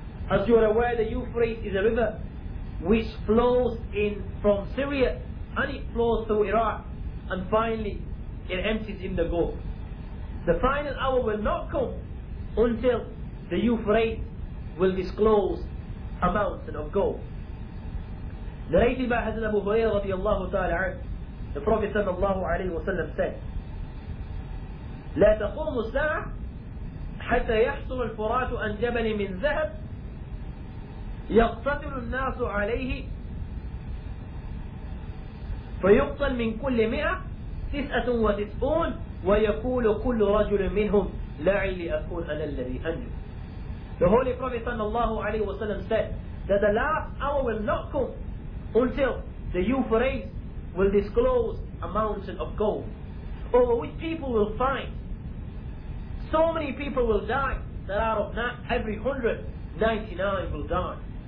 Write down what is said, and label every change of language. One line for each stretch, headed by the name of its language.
English: As you are aware, the Euphrates is a river which flows in from Syria, and it flows through Iraq, and finally it empties in the Gulf. The final hour will not come until the Euphrates will disclose a mountain of gold. Narrated by Hazrat Abu Hurairah radiallahu ta'ala anhu, the Prophet sallallahu alayhi wa sallam said,
Arabic: لا تقوم الساعة حتى يحصل الفرات عن جبل من ذهب يقتتل الناس عليه فيقتل من كل 199 ويقول كل رجل منهم لعلي أكون أنا الذي أنجو.
English: The Holy Prophet sallallahu alayhi wa sallam said that the last hour will not come until the Euphrates will disclose a mountain of gold over which people will find so many people will die that out of every 199 will die.